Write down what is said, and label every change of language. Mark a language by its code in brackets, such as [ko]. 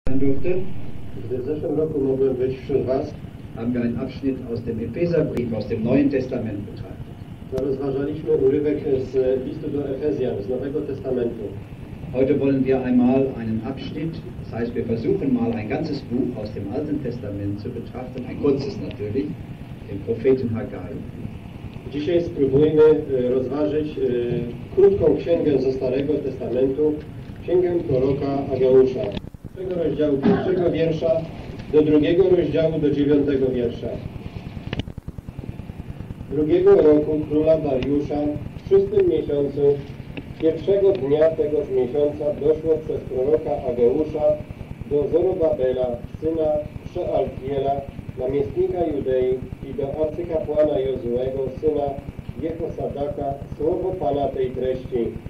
[pl] dürfte, gdy w zeszłym roku mogłem być wśród was, [de] haben wir einen Abschnitt aus dem Epheserbrief, aus dem Neuen Testament betrachtet. [pl] Da rozważaliśmy urywek z listu do Efezjan, z Nowego Testamentu. [de] Heute wollen wir einmal einen Abschnitt, das heißt wir versuchen mal ein ganzes Buch aus dem Alten Testament zu betrachten, ein kurzes natürlich, den Propheten Haggai. [pl] Dzisiaj spróbujmy rozważyć krótką księgę ze Starego Testamentu, księgę proroka Ageusza. Z tego rozdziału pierwszego wiersza do drugiego rozdziału do dziewiątego wiersza. Drugiego roku króla Dariusza w szóstym miesiącu, pierwszego dnia tegoż miesiąca doszło przez proroka Ageusza do Zorobabela, syna Szealtiela, namiestnika Judei i do arcykapłana Jozuego, syna Jehosadaka, słowo Pana tej treści.